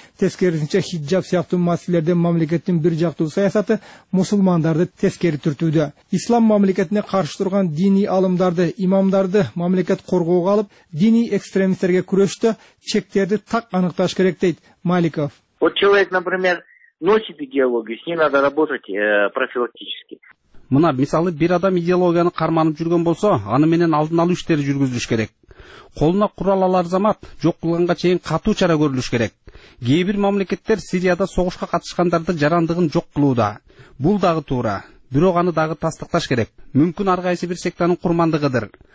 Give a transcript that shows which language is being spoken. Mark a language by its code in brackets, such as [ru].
[ky] Тескерисинче хиджаб сыяктуу маселелерде мамлекеттин бир жактуу саясаты мусулмандарды тескери түртүүдө. Ислам мамлекетине каршы турган диний алымдарды, имамдарды мамлекет коргоого алып, диний экстремисттерге күрөштө чектерди так аныкташ керек дейт Маликов. [ru] Вот человек, например, носит идеологию, с ней надо работать профилактически. [ky] Мына мисалы бир адам идеологияны карманып жүргөн болсо, аны менен алдын алуу иштери жүргүзүлүш керек. Колуна курал алар замат, жок кылганга чейин катуу чара көрүлүш керек. Кээ бир мамлекеттер Сирияда согушка катышкандардын жарандыгын жок кылууда. Бул дагы туура, бирок аны дагы тастыкташ керек. Мүмкүн ар кайсы бир сектанын курмандыгыдыр.